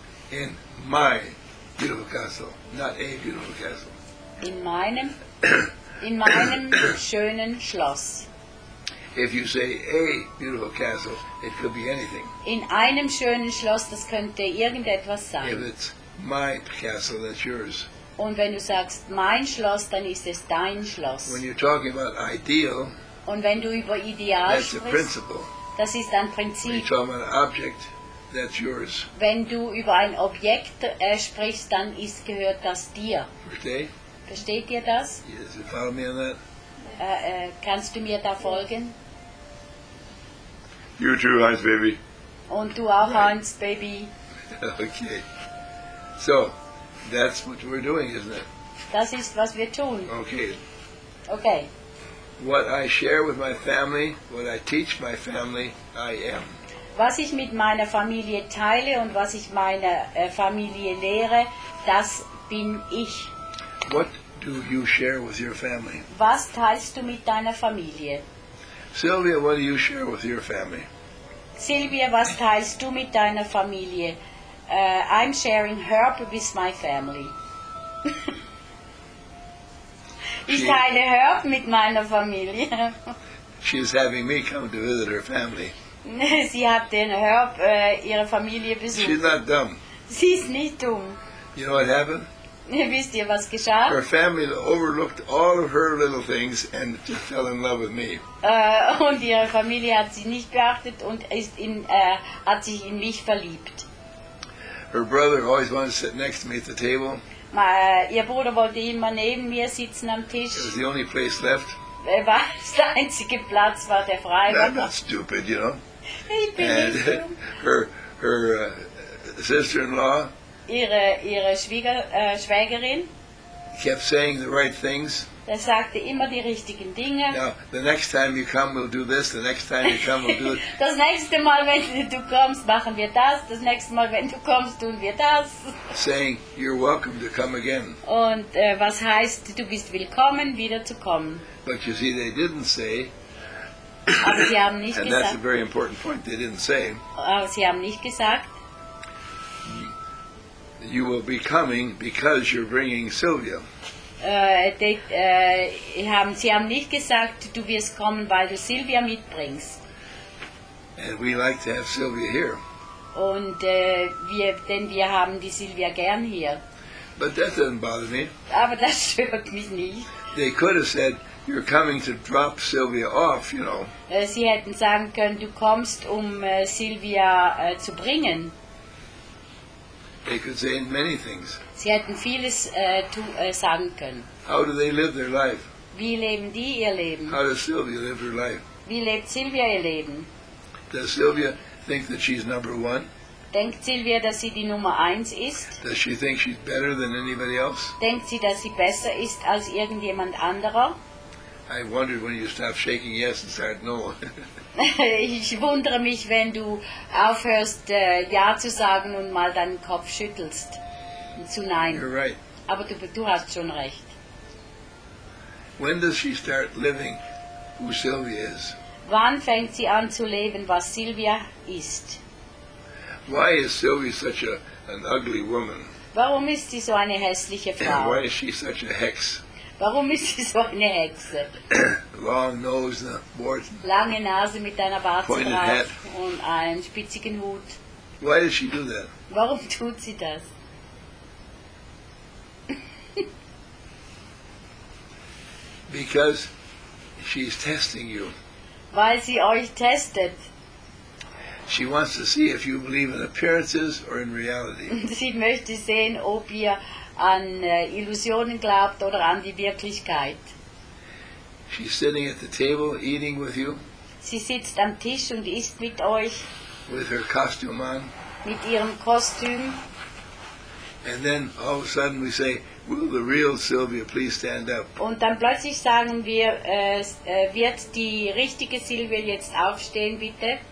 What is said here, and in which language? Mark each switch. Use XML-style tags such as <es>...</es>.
<en>In my beautiful castle, not a beautiful castle.</en> <de>In meinem schönen Schloss.</de> <en>If you say a beautiful castle, it could be anything.</en> <de>In einem schönen Schloss, das könnte irgendetwas sein.</de> <en>If it's my castle, that's yours.</en> <de>Und wenn du sagst, mein Schloss, dann ist es dein Schloss.</de> <en>When you're talking about ideal,</en> <de>und wenn du über Ideal</de> <en>that's</en> <de>sprichst,</de> <en>a principle.</en> <de>Das ist ein Prinzip.</de> <en>When you talk about an object, that's yours.</en> <de>Wenn du über ein Objekt sprichst, dann ist gehört das dir. Versteht? Versteht ihr das?</de> <en>Yes, you follow me on that?</en> <de>Kannst du mir da folgen?</de> <en>You too, Hans Baby.</en> <de>Und du auch, right. Hans Baby.</de> <en>Okay. So, that's what we're doing, isn't it?</en> <de>Das ist, was wir tun. Okay. Okay.</de> <en>What I share with my family, what I teach my family, I am.</en> <de>Was ich mit meiner Familie teile und was ich meiner Familie lehre, das bin ich.</de> <en>What do you share with your family?</en> <de>Was teilst du mit deiner Familie?</de> <en>Sylvia, what do you share with your family?</en> <de>Sylvia, was teilst du mit deiner Familie?</de> <en>I'm sharing herb with my family.</en> <de>Ich teile Herb mit meiner Familie.</de> <en>She is having me come to visit her family.</en> <de>Sie hat den Herb ihre Familie besucht.</de> <en>She's not dumb.</en> <de>Sie ist nicht dumm.</de> <en>You know what happened?</en> <de>Wisst ihr, was geschah?</de> <en>Her family overlooked all of her little things and just fell in love with me.</en> <de>Und ihre Familie hat sie nicht beachtet und ist in hat sich in mich verliebt.</de> <en>Her brother always wanted to sit next to me at the table.</en> <de>Ihr Bruder wollte immer neben mir sitzen am Tisch.</de> <en>It was the only place left.</en> <de>Er war der einzige Platz, war der frei.</de> <en>I'm not stupid, you know.</en> <de>Ich bin</de> <en>and</en> <de>nicht</de> <en>her sister-in-law.</en> <de>Ihre Schwägerin.</de> <en>Kept saying the right things.</en> <de>Er sagte immer die richtigen Dinge.</de> <en>Now, the next time you come, we'll do this. The next time you come, we'll do it.</en> <de>Das nächste Mal, wenn du kommst, machen wir das. Das nächste Mal, wenn du kommst, tun wir das.</de> <en>Saying, you're welcome to come again.</en> <de>Und was heißt, du bist willkommen, wieder zu kommen.</de> <en>But you see, they didn't say.</en> <de>Aber sie haben nicht</de> <en>and</en> <de>gesagt.</de> <en>That's a very important point, they didn't say.</en> <de>Aber sie haben nicht gesagt.</de> <en>You will be coming because you're bringing Sylvia.</en> <de>Sie haben nicht gesagt, du wirst kommen, weil du Sylvia mitbringst.</de> <en>And we like to have Sylvia here.</en> <de>Und denn wir haben die Sylvia gern hier.</de> <en>But that doesn't bother me.</en> <de>Aber das stört mich nicht.</de> <en>They could have said, you're coming to drop Sylvia off, you know.</en> <de>Sie hätten sagen können, du kommst, um Sylvia zu bringen.</de> <en>They could say many things.</en> <de>Sie hätten vieles sagen können.</de> <en>How do they live their life?</en> <de>Wie leben die ihr Leben?</de> <en>How does Sylvia live her life?</en> <de>Wie lebt Sylvia ihr Leben?</de> <en>Does Sylvia think that she's number one?</en> <de>Denkt Sylvia, dass sie die Nummer eins ist?</de> <en>Does she think she's better than anybody else?</en> <de>Denkt sie, dass sie besser ist als irgendjemand anderer?</de> <en>I wondered when you stopped shaking yes and said no.</en> <de>Ich wundere mich, wenn du aufhörst, Ja zu sagen und mal deinen Kopf schüttelst zu Nein.</de> <en>You're right.</en> <de>Aber du hast schon recht.</de> <en>When does she start living who Sylvia is?</en> <de>Wann fängt sie an zu leben, was Sylvia ist?</de> <en>Why is Sylvia such an ugly woman?</en> <de>Warum ist sie so eine hässliche Frau?</de> <en>And why is she such a hex?</en> <de>Warum ist sie so eine Hexe?</de> <en>Long nose and a board.</en> <de>Lange Nase mit einer Bartstreif und einem spitzigen Hut.</de> <en>Why does she do that?</en> <de>Warum tut sie das?</de> <en>Because she's testing you.</en> <de>Weil sie euch testet.</de> <en>She wants to see if you believe in appearances or in reality.</en> <de>Sie möchte sehen, ob ihr an Illusionen glaubt oder an die Wirklichkeit.</de> <en>She's sitting at the table eating with you.</en> <de>Sie sitzt am Tisch und isst mit euch.</de> <en>With her costume on.</en> <de>Mit ihrem Kostüm.</de> <en>And then all of a sudden we say, will the real Sylvia please stand up?</en> <de>Und dann plötzlich sagen wir, wird die richtige Sylvia jetzt aufstehen bitte?</de>